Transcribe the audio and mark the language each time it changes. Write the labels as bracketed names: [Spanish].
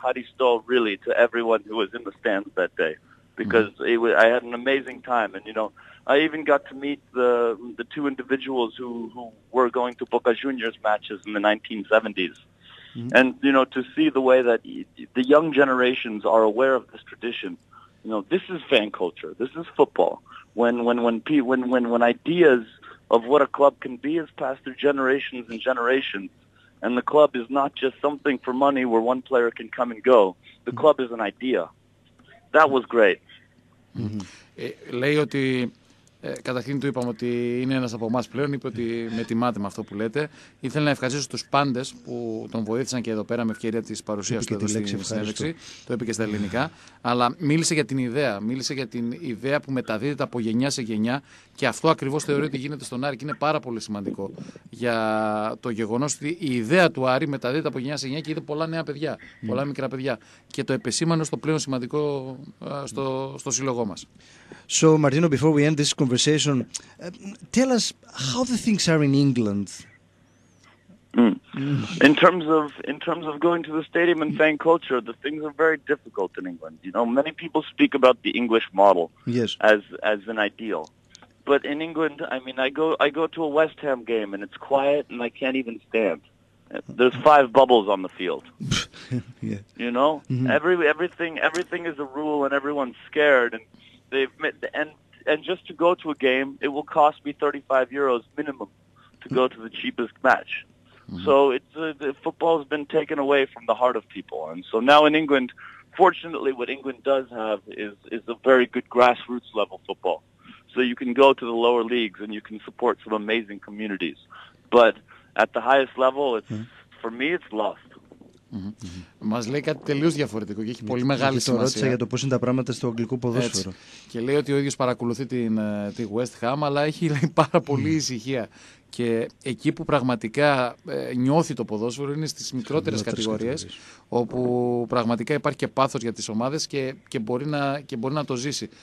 [English] Hadi Stoll really to everyone who was in the stands that day, because I had an amazing time, and you know, I even got to meet the two individuals who were going to Boca Juniors matches in the 1970s, and you know, to see the way that the young generations are aware of this tradition, you know, this is fan culture, this is football. When ideas of what a club can be is passed through generations and generations, and the club is not just something for money where one player can come and go. The club is an idea. That was great. [Greek] Λέει ότι καταρχήν του είπαμε ότι είναι ένας από εμάς πλέον, είπε ότι με τιμάτε με αυτό που λέτε. Ήθελα να ευχαριστήσω τους πάντες που τον βοήθησαν και εδώ πέρα με ευκαιρία της παρουσίας του εδώ στην συνέντευξη. Το είπε και στα ελληνικά. Αλλά μίλησε για την ιδέα. Μίλησε για την ιδέα που μεταδίδεται από γενιά σε γενιά. Και αυτό ακριβώς θεωρεί ότι γίνεται στον Άρη και είναι πάρα πολύ σημαντικό. Για το γεγονός ότι η ιδέα του Άρη μεταδίδεται από γενιά σε γενιά και είδε πολλά νέα παιδιά, πολλά μικρά παιδιά. Και το επεσήμανε στο πλέον σημαντικό στο σύλλογό μας. [English] So, Martino, before we end this conversation, tell us how the things are in England. In terms of going to the stadium and fan culture, the things are very difficult in England. You know, many people speak about the English model as an ideal. But in England, I mean, I go to a West Ham game and it's quiet and I can't even stand. There's five bubbles on the field. Yeah. You know, everything is a rule and everyone's scared. And they've made, and just to go to a game, it will cost me 35 euros minimum to go to the cheapest match. So it's the football has been taken away from the heart of people. And so now in England, fortunately, what England does have is a very good grassroots level football. So you can go to the lower leagues and you can support some amazing communities. But at the highest level, it's for me, it's lost. [Greek] Μας λέει κάτι τελείως διαφορετικό και έχει πολύ μεγάλη σημασία. Το ρώτησα για το πώς είναι τα πράγματα στο αγγλικό ποδόσφαιρο. Έτσι. Και λέει ότι ο ίδιος παρακολουθεί τη West Ham, αλλά έχει λέει, πάρα πολύ ησυχία. Και εκεί που πραγματικά νιώθει το ποδόσφαιρο είναι στις μικρότερες κατηγορίες, όπου πραγματικά υπάρχει και πάθος για τις ομάδες και μπορεί να το ζήσει.